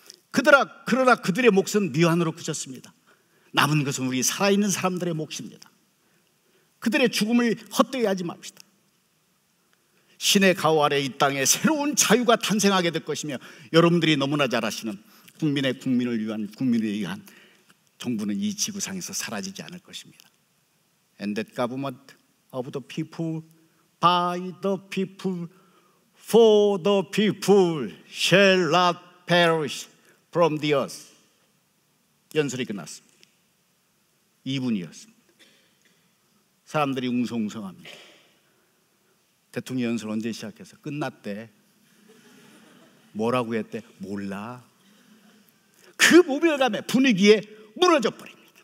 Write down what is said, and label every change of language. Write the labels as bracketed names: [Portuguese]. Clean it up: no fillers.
[Korean] 그러나 그들의 몫은 미완으로 그쳤습니다. 남은 것은 우리 살아있는 사람들의 몫입니다. 그들의 죽음을 헛되이 하지 맙시다. 신의 가호 아래 이 땅에 새로운 자유가 탄생하게 될 것이며 여러분들이 너무나 잘 아시는 국민의 국민을 위한 국민을 위한 정부는 이 지구상에서 사라지지 않을 것입니다. [English] And that government of the people, by the people, for the people shall not perish from the earth. [Korean] 연설이 끝났습니다. 2분이었습니다. 사람들이 웅성웅성합니다. 대통령 연설 언제 시작했어? 끝났대. 뭐라고 했대? 몰라. 그 모멸감의 분위기에 무너져버립니다.